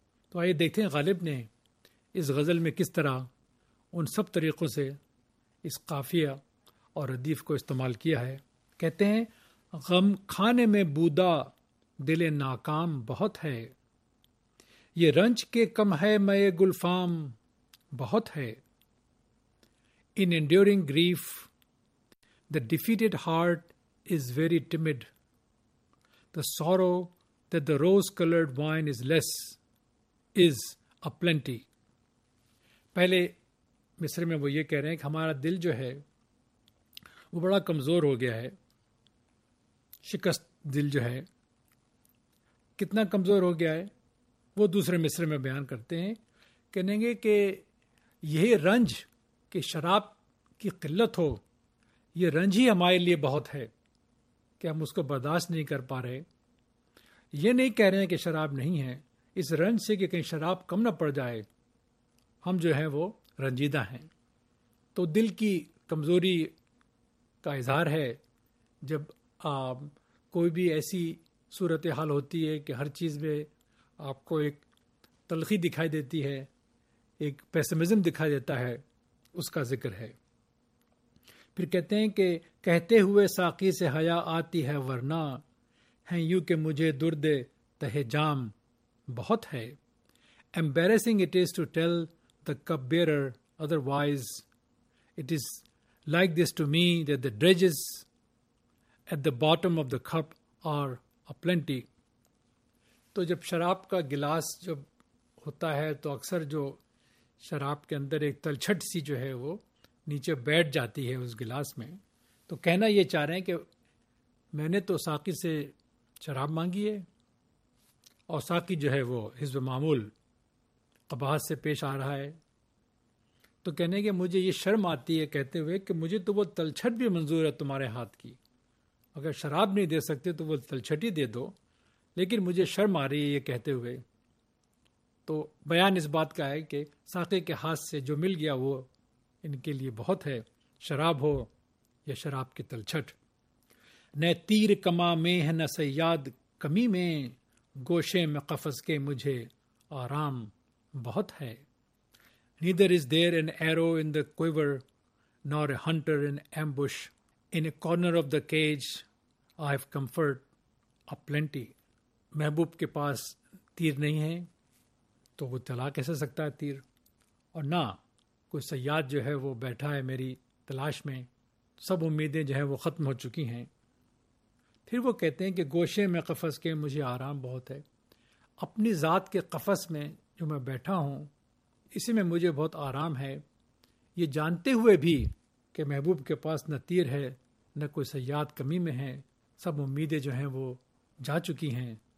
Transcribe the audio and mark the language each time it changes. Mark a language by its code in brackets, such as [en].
[ur] تو آئیے دیکھتے ہیں غالب نے اس غزل میں کس طرح ان سب طریقوں سے اس قافیہ اور ردیف کو استعمال کیا ہے. کہتے ہیں، غم کھانے میں بودا دل ناکام بہت ہے، یہ رنج کے کم ہے مئے گلفام بہت ہے. [en] In enduring grief the defeated heart is very timid, the sorrow that the rose coloured wine is less is a plenty. [ur] پہلے مصر میں وہ یہ کہہ رہے ہیں کہ ہمارا دل جو ہے وہ بڑا کمزور ہو گیا ہے، شکست دل جو ہے کتنا کمزور ہو گیا ہے. وہ دوسرے مصر میں بیان کرتے ہیں، کہیں گے کہ یہی رنج کہ شراب کی قلت ہو، یہ رنج ہی ہمارے لیے بہت ہے کہ ہم اس کو برداشت نہیں کر پا رہے. یہ نہیں کہہ رہے ہیں کہ شراب نہیں ہے، اس رنج سے کہ کہیں شراب کم نہ پڑ جائے، ہم جو ہیں وہ رنجیدہ ہیں. تو دل کی کمزوری کا اظہار ہے جب کوئی بھی ایسی صورتحال ہوتی ہے کہ ہر چیز میں آپ کو ایک تلخی دکھائی دیتی ہے، ایک پیسمزم دکھائی دیتا ہے، اس کا ذکر ہے. پھر کہتے ہیں کہ کہتے ہوئے ساقی سے حیا آتی ہے ورنہ، ہیں یوں کہ مجھے درد تہے جام بہت ہے. [en] Embarrassing it is to tell the cup bearer otherwise, it is like this to me that the dregs at the bottom of the cup are a plenty. [ur] تو جب شراب کا گلاس جب ہوتا ہے تو اکثر جو شراب کے اندر ایک تلچھٹ سی جو ہے وہ نیچے بیٹھ جاتی ہے اس گلاس میں, تو کہنا یہ چاہ رہے ہیں کہ میں نے تو ساقی سے شراب مانگی ہے, اور ساقی جو ہے وہ حسب معمول قباحت سے پیش آ رہا ہے, تو کہنے کہ مجھے یہ شرم آتی ہے کہتے ہوئے کہ مجھے تو وہ تلچھٹ بھی منظور ہے تمہارے ہاتھ کی, اگر شراب نہیں دے سکتے تو وہ تلچھٹ ہی دے دو, لیکن مجھے شرم آ رہی ہے یہ کہتے ہوئے. تو بیان اس بات کا ہے کہ ساقی کے ہاتھ سے جو مل گیا وہ ان کے لیے بہت ہے, شراب ہو یا شراب کی تلچھٹ. نہ تیر کما میں ہے نہ صیاد کمی میں, گوشے میں قفص کے مجھے آرام بہت ہے. [en] Neither is there an arrow in the quiver nor a hunter in ambush, in a corner of the cage I have comfort a plenty. [ur] محبوب کے پاس تیر نہیں ہے تو وہ چلا کیسے سکتا ہے تیر, اور نہ کوئی صیاد جو ہے وہ بیٹھا ہے میری تلاش میں, سب امیدیں جو ہیں وہ ختم ہو چکی ہیں. پھر وہ کہتے ہیں کہ گوشے میں قفس کے مجھے آرام بہت ہے, اپنی ذات کے قفس میں جو میں بیٹھا ہوں اسی میں مجھے بہت آرام ہے, یہ جانتے ہوئے بھی کہ محبوب کے پاس نہ تیر ہے نہ کوئی صیاد کمی میں ہے, سب امیدیں جو ہیں وہ جا چکی ہیں.